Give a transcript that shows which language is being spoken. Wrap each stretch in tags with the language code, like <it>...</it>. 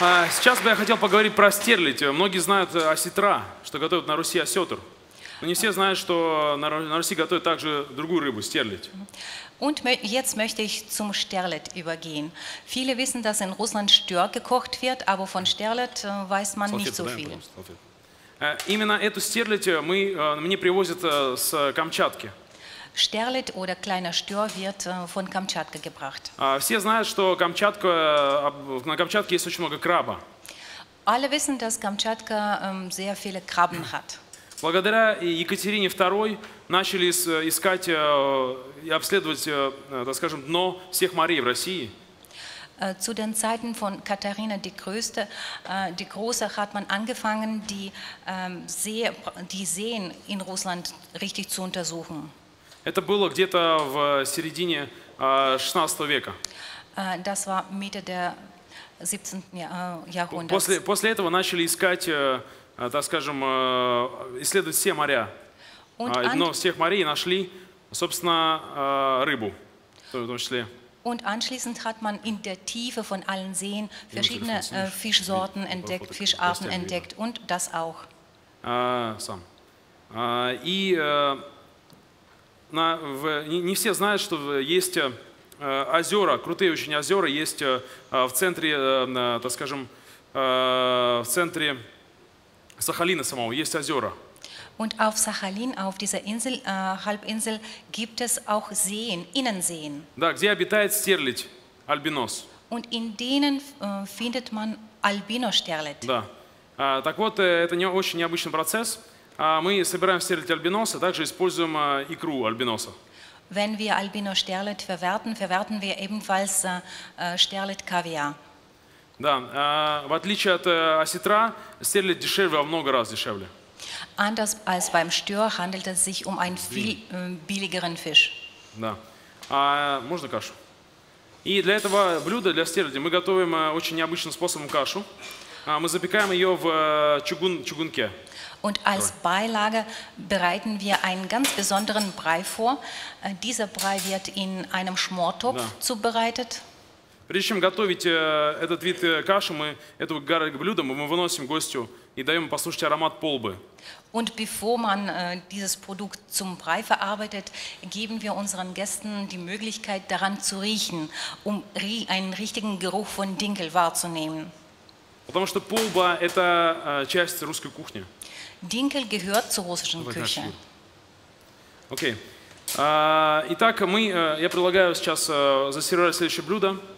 <ru>Сейчас бы я хотел поговорить про стерлить. Многие знают осетра, что готовят на Руси осетр. Но не все знают, что на Руси готовят также другую рыбу, стерлить.</ru> <de>Und jetzt möchte ich zum Sterlet übergehen. Viele wissen, dass in Russland Stör gekocht wird, aber von Sterlet weiß man nicht so viel.</de> <ru>Именно эту стерлить мне привозят с Камчатки.</ru> <de>Sterlet oder kleiner Stör wird von Kamtschatka gebracht.</de> <ru>Все знают, что Камчатка, на Камчатке есть очень много краба.</ru> <de>Alle wissen, dass Kamtschatka sehr viele Krabben hat.</de> <ru>Благодаря Екатерине II начали искать и обследовать, так скажем, дно всех морей в России.</ru> <de>Zu den Zeiten von Katharina die Größte, die Große, hat man angefangen, die Seen in Russland richtig zu untersuchen.</de> <ru>Это было где-то в середине 16 века.</ru> <de>Das war Mitte der 17. Jahrhunderts.</de> <ru>После этого начали искать, так скажем, исследовать все моря. Дно всех морей и нашли, собственно, рыбу, в том числе.</ru> <de>Und anschließend hat man in der Tiefe von allen Seen verschiedene Fischsorten entdeckt, Fischarten entdeckt und das auch.</de> <ru>Сам. И не все знают, что есть озера, крутые очень озера есть в центре, так скажем, в центре Сахалина самого, есть озера.</ru> <de>Und auf Sachalin, auf dieser Insel, Halbinsel, gibt es auch Seen, Innenseen.</de> <ru>Да, где обитает стерлить, альбинос.</ru> <de>Und in denen findet man Albino-Sterlet.</de> <ru>Да. Так вот, это не очень необычный процесс. Мы собираем стерлить альбиноса, также используем икру альбиноса.</ru> <de>Wenn wir Albino-Sterlet verwerten, verwerten wir ebenfalls Sterlet-Kaviar.</de> <ru>Да, в отличие от осетра, стерлить дешевле, во много раз дешевле.</ru> <de>Anders als beim Stör handelt es sich um einen viel billigeren Fisch.</de> <ru>Да. Можно кашу. И для этого блюда, для стерлиди, мы готовим очень необычным способом кашу. Мы запекаем ее в чугунке.</ru> <de>Und als Beilage bereiten wir einen ganz besonderen Brei vor. Dieser Brei wird in einem Schmortopf zubereitet.</de> <ru>Прежде чем готовить этот вид каши, мы это блюдо мы выносим гостю и даем послушать аромат полбы.</ru> <de>Und bevor man dieses Produkt zum Brei verarbeitet, geben wir unseren Gästen die Möglichkeit, daran zu riechen, um einen richtigen Geruch von Dinkel wahrzunehmen.</de> <ru>Потому что полба – это часть русской кухни.</ru> <de>Dinkel gehört zur russischen Küche.</de> <en>Okay.</en> <ru>Итак, я предлагаю сейчас засервировать следующее блюдо.</ru>